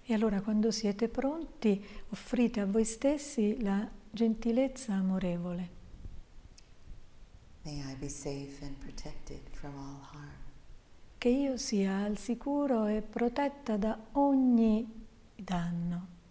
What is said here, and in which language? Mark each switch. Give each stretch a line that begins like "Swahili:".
Italian: E allora quando siete pronti, offrite a voi stessi la gentilezza amorevole.
English: May I be safe and protected from all harm.
Italian: Che io sia al sicuro e protetta da ogni danno.